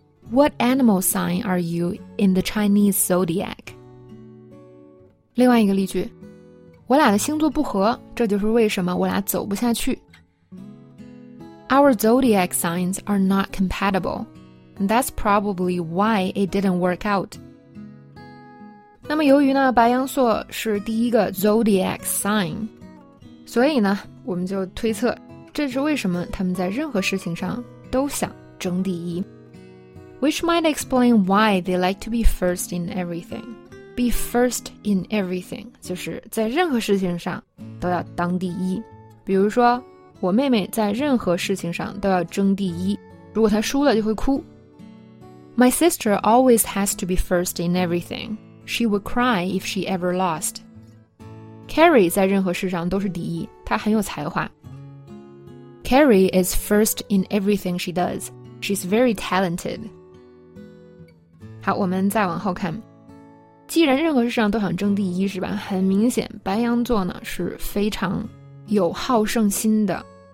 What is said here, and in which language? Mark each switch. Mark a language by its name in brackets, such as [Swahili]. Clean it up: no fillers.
[English] What animal sign are you in the Chinese zodiac? [Chinese] 另外一个例句，我俩的星座不合，这就是为什么我俩走不下去。 [English] Our zodiac signs are not compatible. That's probably why it didn't work out. [Chinese] 那么由于呢，白羊座是第一个 zodiac sign， 所以呢，我们就推测，这是为什么他们在任何事情上都想争第一。 [English] Which might explain why they like to be first in everything. Be first in everything [Chinese] 就是在任何事情上都要当第一。比如说，我妹妹在任何事情上都要争第一，如果她输了就会哭。 [English] My sister always has to be first in everything. She would cry if she ever lost. [Chinese] Carrie 在任何事上都是第一，她很有才华。 [English] Carrie is first in everything she does. She's very talented. [Chinese] 好，我们再往后看，既然任何事上都想争第一是吧，很明显白羊座呢是非常有好胜心的，